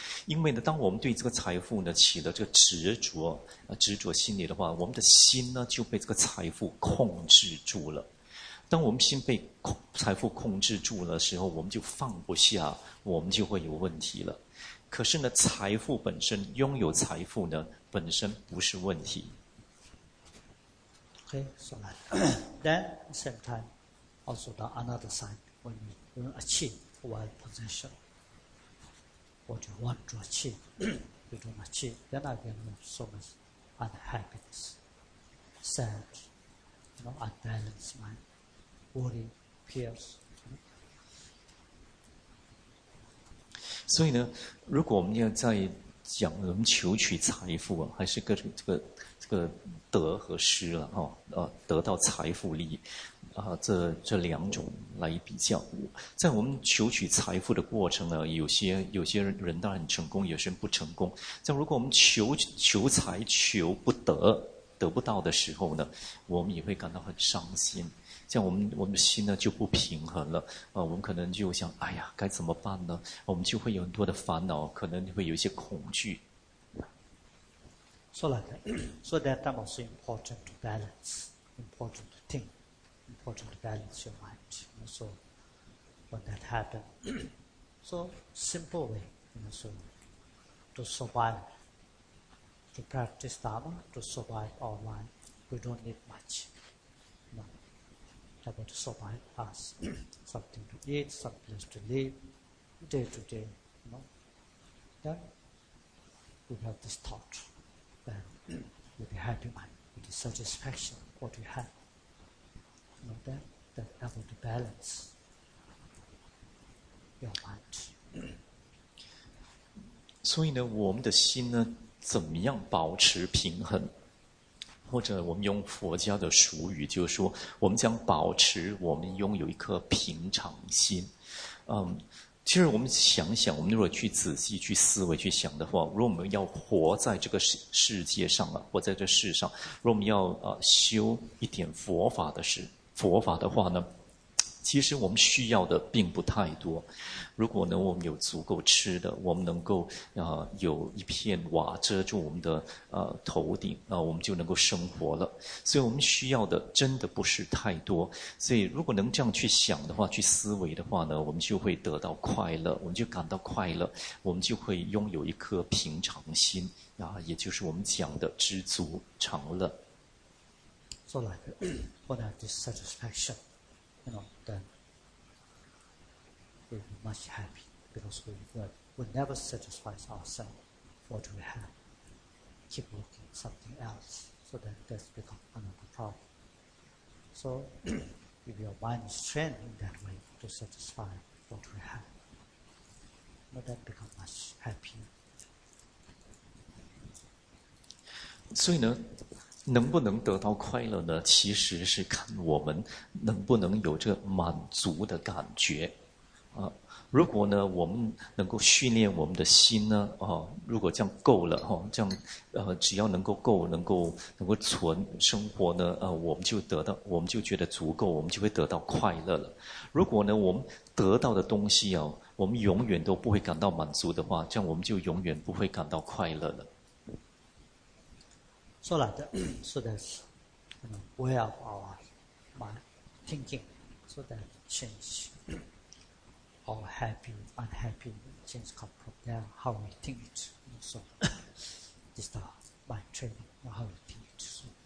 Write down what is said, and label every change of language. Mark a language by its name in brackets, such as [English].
[Chinese] 因为呢，当我们对这个财富呢起了这个执着心理的话，我们的心呢就被这个财富控制住了。当我们心被财富控制住了的时候，我们就放不下，我们就会有问题了。可是呢，财富本身，拥有财富呢，本身不是问题。 [English] Okay, so then same time, also the another side, when achieve wealth possession, what you want to achieve, you don't achieve, then again, so much unhappiness, sad, you know, unbalanced mind. Worry, fears. [Chinese] 所以呢，如果我们要在讲我们求取财富啊，还是这个得和失了啊，得到财富利益啊，这两种来比较，在我们求取财富的过程呢，有些人当然很成功，有些人不成功。在如果我们求财求不得，得不到的时候呢，我们也会感到很伤心。这样我们的心呢就不平衡了，我们可能就想，哎呀，该怎么办呢？我们就会有很多的烦恼，可能会有一些恐惧。 [English] So like that, so that time also important to balance, important to think, important to balance your mind. So when that happened, so simple way, you know, so to survive, to practice Dharma, to survive our mind, we don't need much. Able to survive us, something to eat, some place to live, day to day, you know. Then we have this thought, then with a happy mind, with the satisfaction of what we have, you know, then able to balance your mind. [Chinese] 所以呢，我们的心呢，怎么样保持平衡？或者我们用佛家的俗语，就是说，我们将保持我们拥有一颗平常心。其实我们想想，我们如果去仔细去思维去想的话，如果我们要活在这个世界上啊，活在这世上，如果我们要修一点佛法的话呢，其实我们需要的并不太多。如果呢，我们有足够吃的，我们能够有一片瓦遮住我们的头顶，我们就能够生活了。所以我们需要的真的不是太多。所以如果能这样去想的话，去思维的话呢，我们就会得到快乐，我们就感到快乐，我们就会拥有一颗平常心啊，也就是我们讲的知足常乐。 [English] So like, what are the satisfaction? You know, then we'll be much happy because we never satisfy ourselves for what we have. Keep looking at something else, so that that's become another problem. So, if your mind is trained in that way to satisfy what we have, then that becomes much happier. So, you know, [Chinese] 能不能得到快乐呢？其实是看我们能不能有这满足的感觉。如果呢，我们能够训练我们的心呢，如果这样够了，这样只要能够够，能够存生活呢，我们就觉得足够，我们就会得到快乐了。如果呢，我们得到的东西啊，我们永远都不会感到满足的话，这样我们就永远不会感到快乐了。 [English] So like that, so that's, you know, way of our mind, thinking, so that change our happy, unhappy, change come from there, how we think it, you know, so this is the mind training, you know, how we think it, so.